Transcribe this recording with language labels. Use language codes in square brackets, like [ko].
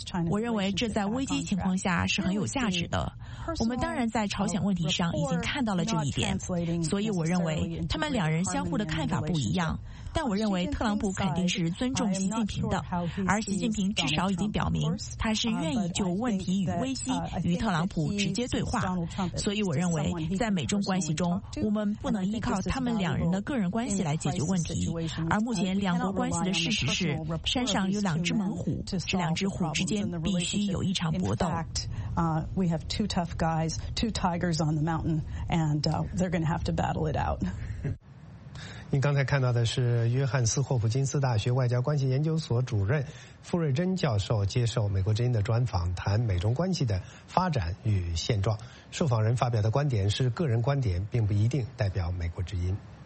[zh] 我认为这在危机情况下是很有价值的。我们当然在朝鲜问题上已经看到了这一点，所以我认为他们两人相互的看法不一样，但我认为特朗普肯定是尊重习近平的，而习近平至少已经表明他是愿意就问题与危机与特朗普直接对话。所以我认为在美中关系中，我们不能依靠他们两人的个人关系来解决问题，而目前两国关系的事实是山上有两只猛虎，这两只虎之间必须有一场搏斗。 [en] We have two tough guys, two tigers on the mountain, and they're going to have to battle it out. [zh] 您刚才看到的是约翰斯霍普金斯大学外交关系研究所主任傅瑞珍教授接受美国之音的专访，谈美中关系的发展与现状。受访人发表的观点是个人观点，并不一定代表美国之音。